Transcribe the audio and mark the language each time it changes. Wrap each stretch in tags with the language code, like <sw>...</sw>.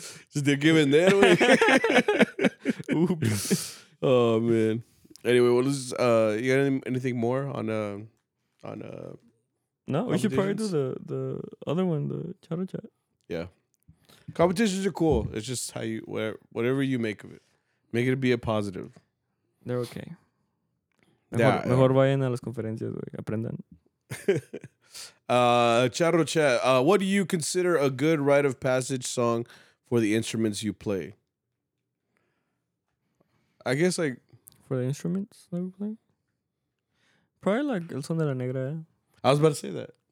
<en>Just did give in there, güey. Oops. Oh, man. Anyway, what is, you got anything more on... No, we should probably do the other one, the Charo Chat. Yeah. Competitions are cool. It's just how you, whatever you make of it. Make it be a positive. They're okay.</en> <es>Mejor vayan a las conferencias, güey. Aprendan.</es> <en>Charo Chat, what do you consider a good rite of passage song for the instruments you play? I guess, like... For the instruments that we play? Probably like El Son de la Negra. I was about to say that.</en>